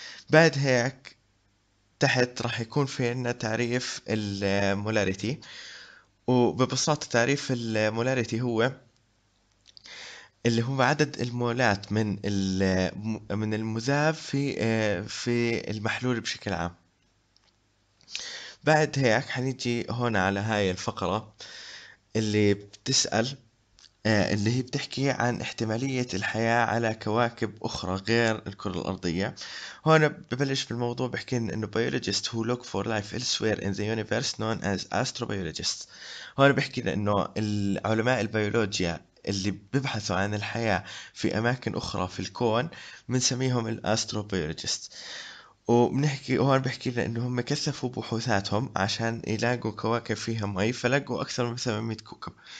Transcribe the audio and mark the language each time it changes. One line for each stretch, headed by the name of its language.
Arabic: بعد هيك تحت راح يكون في عندنا تعريف المولاريتي، وببساطة تعريف المولاريتي هو اللي هو عدد المولات من المذاب في المحلول بشكل عام. بعد هيك حنيجي هون على هاي الفقرة اللي بتسأل، اللي هي بتحكي عن احتمالية الحياة على كواكب أخرى غير الكرة الأرضية. هون ببلش بالموضوع بحكي إنه
English: biologists who look for life elsewhere in the universe known as astrobiologists.
Arabic: هون بحكي إنه العلماء البيولوجيا اللي بيبحثوا عن الحياة في أماكن أخرى في الكون بنسميهم الأستروبيولوجيست. وبنحكي هون بحكي لنا إنه هم كثفوا بحوثاتهم عشان يلاقوا كواكب فيها مي، فلقوا أكثر من 800 كوكب.